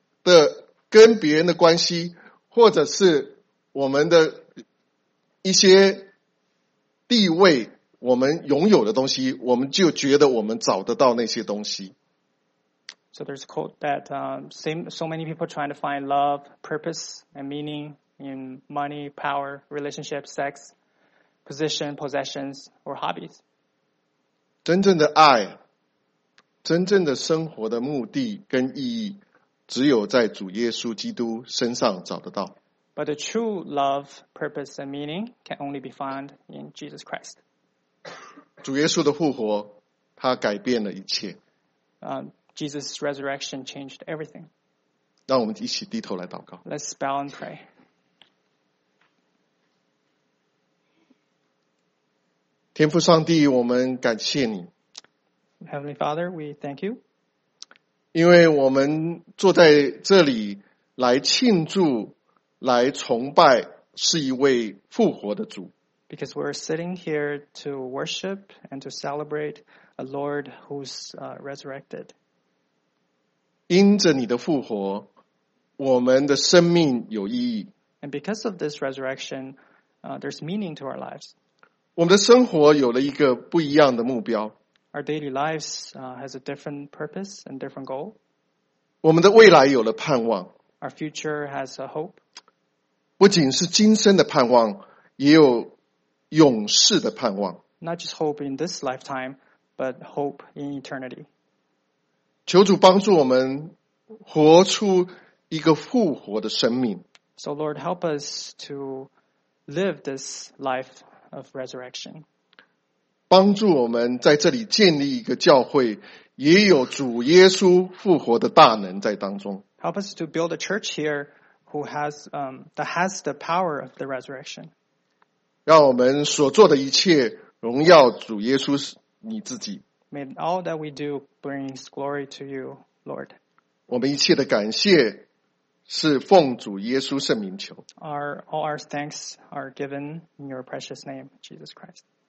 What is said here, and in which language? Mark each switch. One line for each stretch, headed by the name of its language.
Chinese: 的跟别人的关系，或者是我们的一些地位，我们拥有的东西，我们就觉得我们找得到那些东西。
English: So there's a quote that so many people trying to find love, purpose, and meaning in money, power, relationships, sex, position, possessions, or hobbies.
Chinese: 真正的爱，真正的生活的目的跟意义，只有在主耶稣基督身上找得到。
English: But the true love, purpose, and meaning can only be found in Jesus Christ.
Chinese: 主耶稣的复活，他改变了一切。
English: Jesus' resurrection changed everything.
Chinese: 让我们一起低头来祷告。
English: Let's bow and pray.
Chinese: 天父上帝，我们感谢你。
English: Heavenly Father, we thank you.
Chinese: 因为我们坐在这里来庆祝来崇拜是一位复活的主。
English: Because we're sitting here to worship and to celebrate a Lord who's resurrected.
Chinese: 因着你的复活，我们的生命有意义。
English: And because of this resurrection, there's meaning to our lives.
Chinese: 我们的生活有了一个不一样的目标。
English: Our daily lives has a different purpose and different goal.
Chinese: 我们的未来有了盼望。
English: Our future has a hope.
Chinese: 不仅是今生的盼望，也有永世的盼望。
English: Not just hope in this lifetime, but hope in eternity.
Chinese: 求主帮助我们活出一个复活的生命。
English: So Lord, help us to live this life of resurrection.
Chinese: 帮助我们在这里建立一个教会，也有主耶稣复活的大能在当中。
English: Help us to build a church here. Who has, that has the power of the resurrection.
Chinese: 让我们所做的一切荣耀主耶稣你自己。
English: May all that we do brings glory to you, Lord.
Chinese: 我们一切的感谢是奉主耶稣圣名求。
English: All our thanks are given in your precious name, Jesus Christ.